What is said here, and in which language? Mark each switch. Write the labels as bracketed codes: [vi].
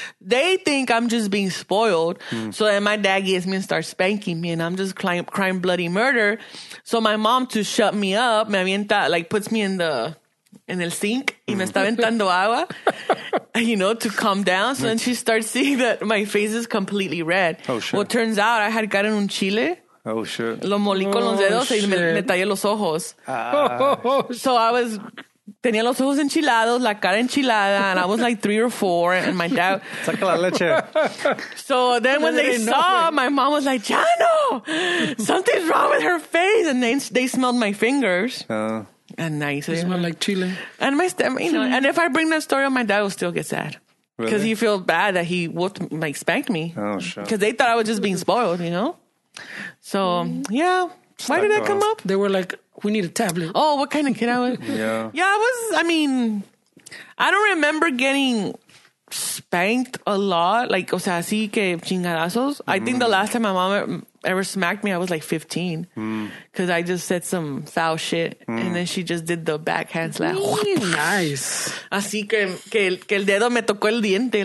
[en] They think I'm just being spoiled. So then my dad gets me and starts spanking me, and I'm just crying bloody murder. So my mom, to shut me up, [es] me avienta, [en] like, puts me in the... in [es] el sink, y me está aventando agua, [en] you know, to calm down. So then she starts seeing that my face is completely red. Oh, shit. Well, it turns out I had gotten [es] un chile. [en] Oh, shit. [es] Lo molí con los dedos y me tallé los ojos. [en] So I was... [es] tenía los ojos enchilados, la cara enchilada, [en] and I was like 3 or 4, and my dad... [es] saca la leche. [en] So then when they saw, my mom was like, Chano, something's wrong with her face. And they smelled my fingers. And nice. You smell like chile. And my stem, you know, and if I bring that story on, my dad will still get sad. Because really? He feels bad that he whooped, like, spanked me. Oh, sure. Because they thought I was just being spoiled, you know? So, yeah. Just why did that come up? They were like, we need a tablet. Oh, what kind of kid I was? Yeah, I was, I mean, I don't remember getting spanked a lot. Like, [es] o sea, así que chingadazos. [en] I think the last time my mom ever smacked me, I was like 15. Because I just said some foul shit. Mm. And then she just did the backhand slap. Really nice. [es] Así que el dedo me tocó el diente.